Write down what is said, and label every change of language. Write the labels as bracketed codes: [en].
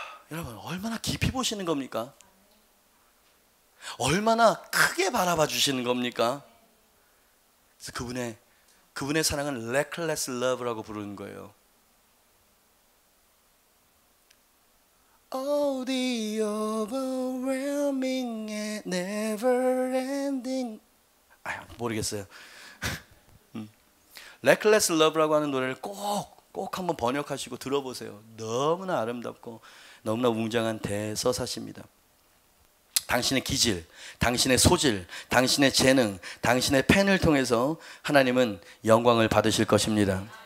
[ko] 여러분, 얼마나 깊이 보시는 겁니까? 얼마나 크게 바라봐 주시는 겁니까? 그래서 그분의 사랑은 reckless love라고 부르는 거예요. [en] Oh, the overwhelming and never ending. [ko] 아, 모르겠어요. reckless love라고 하는 노래를 꼭 한번 번역하시고 들어보세요. 너무나 아름답고 너무나 웅장한 대서사십니다. 당신의 기질, 당신의 소질, 당신의 재능, 당신의 펜을 통해서 하나님은 영광을 받으실 것입니다.